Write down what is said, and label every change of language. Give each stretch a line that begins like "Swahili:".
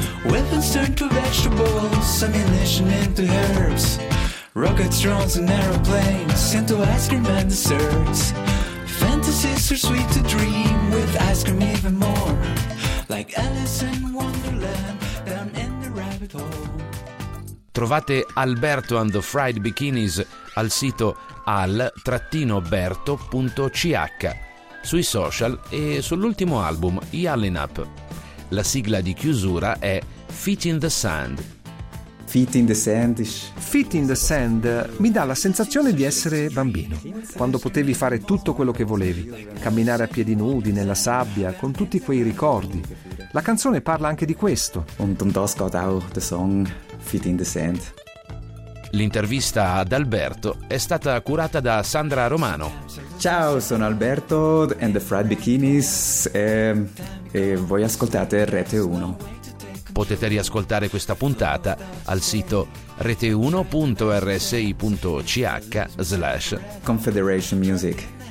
English: Weapons turn to vegetables, ammunition into herbs. Rockets, drones and aeroplanes sent to ice cream and desserts. Fantasies are sweet to dream with ice cream even more. Like Alice in Wonderland down in the rabbit hole.
Italian: Trovate Alberto and the Fried Bikinis al sito al-berto.ch, sui social e sull'ultimo album Yalin Up. La sigla di chiusura è Feet in the Sand. Feet in the Sand. Feet in the Sand mi dà la sensazione di essere bambino, quando potevi fare tutto quello che volevi, camminare a piedi nudi nella sabbia con tutti quei ricordi. La canzone parla anche di questo.
German: Und um das geht auch der Song Feet in the Sand.
Italian: L'intervista ad Alberto è stata curata da Sandra Romano. Ciao, sono Alberto and the Fried Bikinis e voi ascoltate Rete 1. Potete riascoltare questa puntata al sito rete1.rsi.ch/confederationmusic.